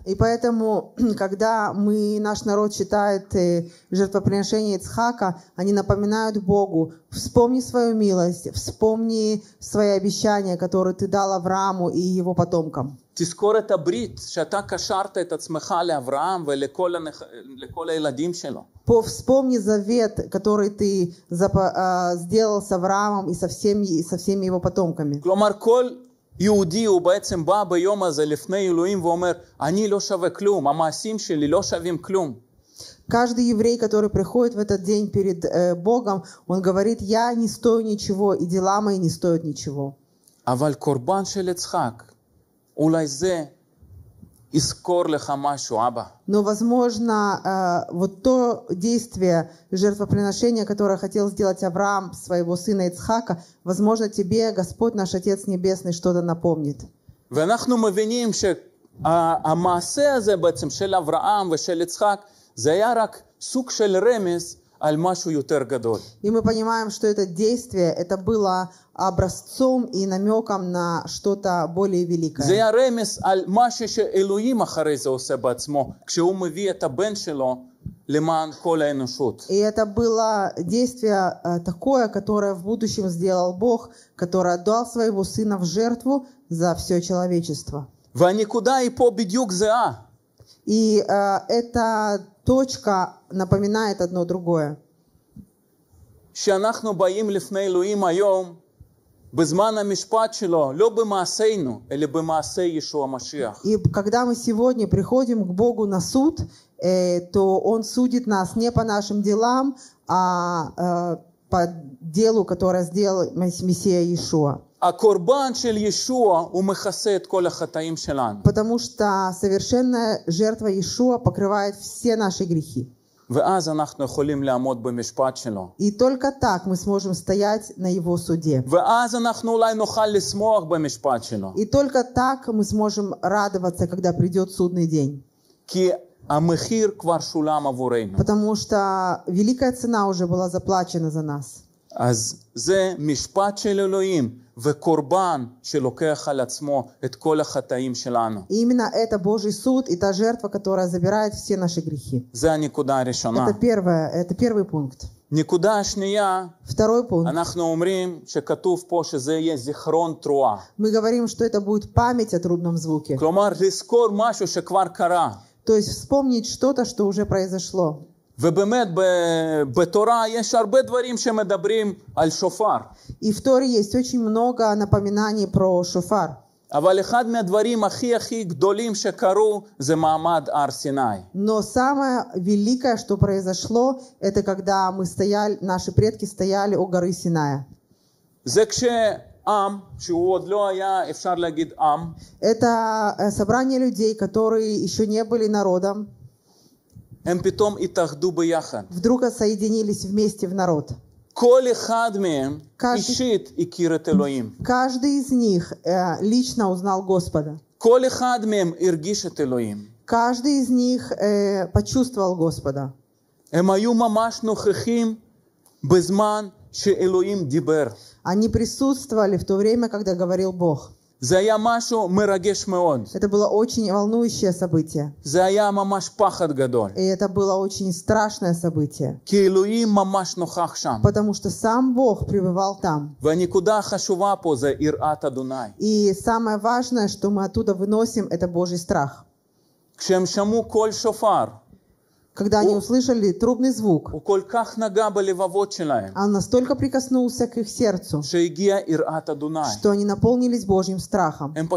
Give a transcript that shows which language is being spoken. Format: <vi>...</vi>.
<ru>И поэтому, когда мы, наш народ считает жертвоприношение Ицхака, они напоминают Богу, вспомни свою милость, вспомни свои обещания, которые ты дал Аврааму и его потомкам.</ru> <he>תזכור את הברית שאתה קשרת את עצמך לאברהם ולכל הילדים שלו.</he> <ru>Вспомни завет, который ты сделал с Авраамом и со всеми его потомками.</ru> <he>כלומר, כל יהודי הוא בעצם בא ביום הזה לפני אלוהים ואומר, אני לא שווה כלום, המעשים שלי לא שווים כלום.</he> <ru>Каждый еврей, который приходит в этот день перед Богом, он говорит, я не стою ничего, и дела мои не стоят ничего.</ru> <he>אבל קורבן של יצחק, אולי זה יזכור לך משהו, אבא.</he> <ru>Но, возможно, вот то действие жертвоприношения, которое хотел сделать Авраам своего сына Ицхака, возможно, тебе Господь наш Отец Небесный что-то напомнит.</ru> <he>ואנחנו מבינים שהמעשה הזה בעצם של אברהם ושל יצחק, זה היה רק סוג של רמז על משהו יותר גדול.</he> <ru>И мы понимаем, что это действие, это было образцом и намеком на что-то более великое.</ru> <he>זה היה רמז על משהו שאלוהים אחרי זה עושה בעצמו, כשהוא מביא את הבן שלו למען כל האנושות.</he> <ru>И это было действие такое, которое в будущем сделал Бог, который отдал своего сына в жертву за все человечество.</ru> <he>והנקודה היא פה בדיוק זהה.</he> <ru>И эта точка напоминает одно другое.</ru> <he>שאנחנו באים לפני אלוהים היום, בזמן המשפט שלו, לא במעשינו, אלא במעשי ישוע המשיח.</he> <ru>И когда мы сегодня приходим к Богу на суд, то Он судит нас не по нашим делам, а по делу, которое сделал Мессия Иешуа.</ru> <he>הקורבן של ישוע הוא מכסה את כל החטאים שלנו.</he> <ru>Потому что совершенная жертва Иешуа покрывает все наши грехи.</ru> <he>ואז אנחנו יכולים לעמוד במשפט שלו.</he> <ru>И только так мы сможем стоять на его суде.</ru> <he>ואז אנחנו אולי נוכל לשמוח במשפט שלו.</he> <ru>И только так мы сможем радоваться, когда придет судный день.</ru> <he>כי המחיר כבר שולם עבורנו.</he> <ru>Потому что великая цена уже была заплачена за нас.</ru> <he>אז זה משפט של אלוהים. וקורבן שלוקח על עצמו את כל החטאים שלנו.</he> <ru>Именно это Божий суд и та жертва, которая забирает все наши грехи.</ru> <he>זה הנקודה הראשונה.</he> <ru>Это первый пункт.</ru> <he>נקודה השנייה.</he> <ru>Второй пункт.</ru> <he>אנחנו אומרים שכתוב פה שזה יהיה זיכרון תרועה.</he> <ru>Мы говорим, что это будет память о трубном звуке.</ru> <he>כלומר, לזכור משהו שכבר קרה.</he> <ru>То есть вспомнить что-то, что уже произошло.</ru> <he>ובאמת בתורה יש הרבה דברים שמדברים על שופר.</he> <ru>И в Торе есть очень много напоминаний про шофар.</ru> <he>אבל אחד מהדברים הכי הכי גדולים שקרו זה מעמד הר סיני.</he> <ru>Но самое великое, что произошло, это когда мы стояли, наши предки стояли у горы Синая.</ru> <he>זה כשעם, שהוא עוד לא היה, אפשר להגיד עם.</he> <ru>Это собрание людей, которые еще не были народом.</ru> <he>הם פתאום התאחדו ביחד.</he> <ru>Вдруг соединились вместе в народ.</ru> <he>כל אחד מהם אישית הכיר את אלוהים.</he> <ru>Каждый из них лично узнал Господа.</ru> <he>כל אחד מהם הרגיש את אלוהים.</he> <ru>Каждый из них почувствовал Господа.</ru> <he>הם היו ממש נוכחים בזמן שאלוהים דיבר.</he> <ru>Они присутствовали в то время, когда говорил Бог.</ru> <he>זה היה משהו מרגש מאוד.</he> <ru>Это было очень волнующее событие.</ru> <he>זה היה ממש פחד גדול.</he> <ru>И это было очень страшное событие.</ru> <he>כי אלוהים ממש נוכח שם.</he> <ru>Потому что сам Бог пребывал там.</ru> <he>והנקודה החשובה פה זה יראת אדוני.</he> <ru>И самое важное, что мы оттуда выносим, это Божий страх.</ru> <he>כשהם שמעו קול שופר.</he> <ru>Когда они услышали трубный звук, он настолько прикоснулся к их сердцу, что они наполнились Божьим страхом.</ru>